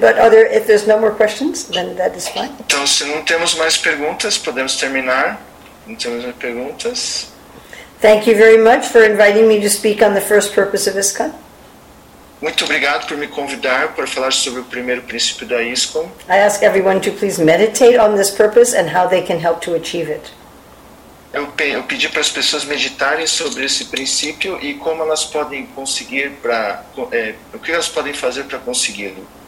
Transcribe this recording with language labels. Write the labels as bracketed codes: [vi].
[en] But if there's no more questions, then that is fine. [pt] Então, se não temos mais perguntas, podemos terminar. Não temos mais perguntas. [en] Thank you very much for inviting me to speak on the first purpose of ISKCON. [pt] Muito obrigado por me convidar para falar sobre o primeiro princípio da ISKCON. [en] I ask everyone to please meditate on this purpose and how they can help to achieve it. [pt] Eu pedi para as pessoas meditarem sobre esse princípio e como elas podem conseguir para o que elas podem fazer para consegui-lo.